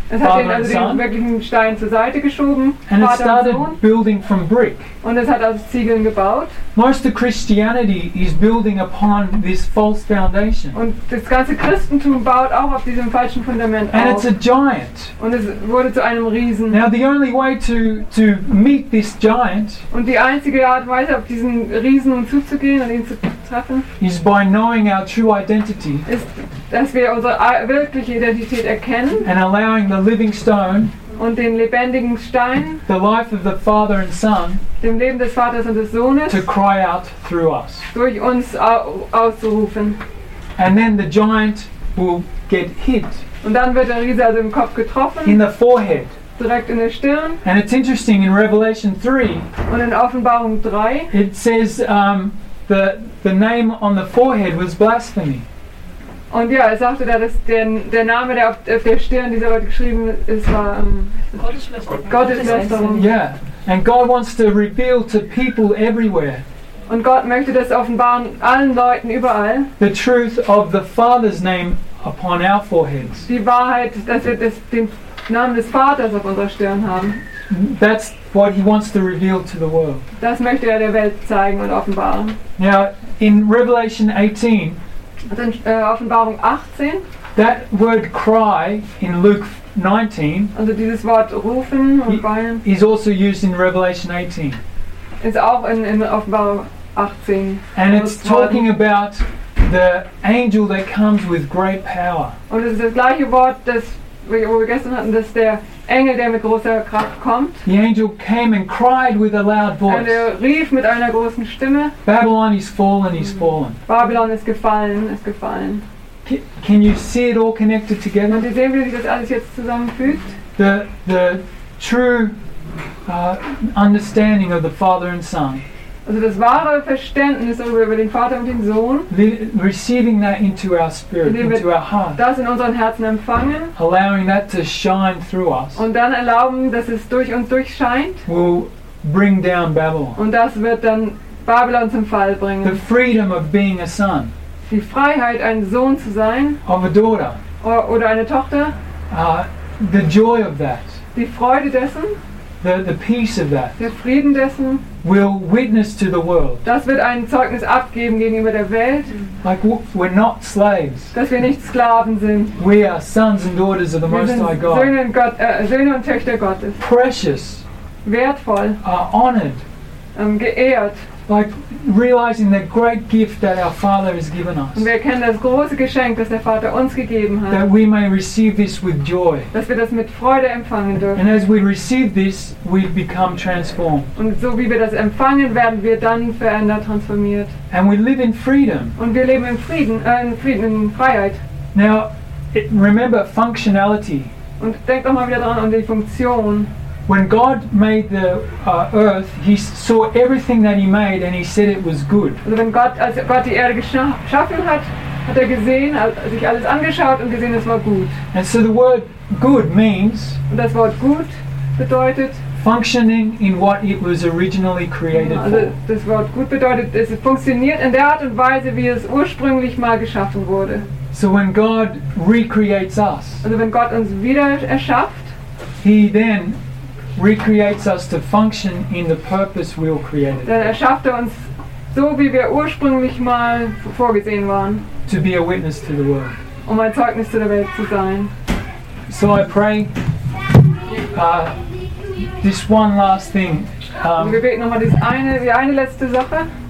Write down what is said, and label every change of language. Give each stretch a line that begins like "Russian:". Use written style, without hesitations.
German: es hat den, also den wirklichen Stein zur Seite geschoben,
English: and
German: Vater
English: it started
German: und Sohn.
English: Building from brick.
German: Und es hat aus Ziegeln gebaut.
English: Most of Christianity is building upon this false foundation.
German: Und das ganze Christentum baut auch auf diesem falschen Fundament
English: and
German: auf.
English: It's a giant.
German: Und es wurde zu einem Riesen.
English: Now the only way to meet this giant.
German: Und die einzige Art weiter auf diesen Riesen zuzugehen und ihn zu treffen.
English: Is by knowing our true identity.
German: Ist, dass wir unsere wirkliche Identität erkennen.
English: And allowing the living stone.
German: Und den lebendigen Stein.
English: The life of the Father and Son.
German: Dem Leben des Vaters und des Sohnes.
English: To cry out through us.
German: Durch uns auszurufen.
English: And then the giant will get hit.
German: Und dann wird der Riese also im Kopf getroffen.
English: In the forehead.
German: Direkt in der Stirn.
English: And it's interesting in Revelation 3.
German: Und in Offenbarung 3.
English: It says the name on the forehead was blasphemy.
German: Und ja, er sagte da, dass der Name, der auf der Stirn dieser Leute geschrieben ist, war Gotteslästerung.
English: Yeah. And God wants to reveal to people everywhere.
German: Und Gott möchte das offenbaren allen Leuten überall.
English: The truth of the Father's name upon our foreheads.
German: Die Wahrheit, dass wir den Namen des Vaters auf unserer Stirn haben.
English: That's what he wants to reveal to the world.
German: Das möchte er der Welt zeigen und offenbaren.
English: Now, in Revelation 18,
German: also in Offenbarung 18,
English: that word cry in Luke 19,
German: also dieses Wort rufen und weinen,
English: is also used in Revelation 18.
German: Ist auch in Offenbarung 18.
English: And it's talking about the angel that comes with great power.
German: Und es ist das gleiche Wort, das wo wir gestern hatten, dass der Engel, der mit großer Kraft kommt.
English: The angel came and cried with a loud voice.
German: Und er rief mit einer großen Stimme.
English: Babylon is fallen, is fallen.
German: Babylon ist gefallen, ist gefallen.
English: Can you see it all connected together?
German: Und ihr sehen, wie sich das alles jetzt zusammenfügt?
English: The true understanding of the Father and Son.
German: Also das wahre Verständnis über den Vater und den Sohn.
English: Receiving that into our spirit, into our heart.
German: Das in unseren Herzen empfangen.
English: Allowing that to shine through us.
German: Und dann erlauben, dass es durch uns durchscheint.
English: Will bring down Babylon.
German: Und das wird dann Babylon zum Fall bringen.
English: The freedom of being a son.
German: Die Freiheit, ein Sohn zu sein.
English: Of a daughter.
German: Oder eine Tochter.
English: The joy of that.
German: Die Freude dessen.
English: The peace of that.
German: Der Frieden dessen.
English: Will witness to the world.
German: Das wird ein Zeugnis abgeben gegenüber der Welt.
English: Like we're not slaves.
German: Dass wir nicht Sklaven sind.
English: We are sons and daughters of the Most High God.
German: Wir sind Söhne und Töchter Gottes.
English: Precious.
German: Wertvoll.
English: Are honored.
German: Geehrt.
English: Like realizing the great gift that our Father has given us.
German: Und wir erkennen das große Geschenk, das der Vater uns gegeben hat.
English: That we may receive this with joy.
German: Dass wir das mit Freude empfangen dürfen.
English: And as we receive this, we become transformed.
German: Und so wie wir das empfangen, werden wir dann verändert, transformiert.
English: And we live in freedom.
German: Und wir leben in Freiheit.
English: Now, remember functionality.
German: Und denk doch mal wieder dran an die Funktion.
English: When God made the earth, he saw everything that he made and he said it was good.
German: Also wenn Gott, als Gott die Erde geschaffen hat, hat er gesehen, sich alles angeschaut und gesehen, es war gut.
English: And so the word good means,
German: und das Wort gut bedeutet,
English: functioning in what it was originally created
German: also
English: for.
German: Also das Wort gut bedeutet, es funktioniert in der Art und Weise, wie es ursprünglich mal geschaffen wurde.
English: So when God recreates us,
German: also wenn Gott uns wieder erschafft,
English: he then recreates us to function in the purpose we were created.
German: Dann erschafft er uns so wie wir ursprünglich mal vorgesehen waren.
English: To be a witness to the world.
German: Um ein Zeugnis zu der Welt zu sein.
English: So I pray this one last thing.
German: Wir beten nochmal die eine letzte Sache.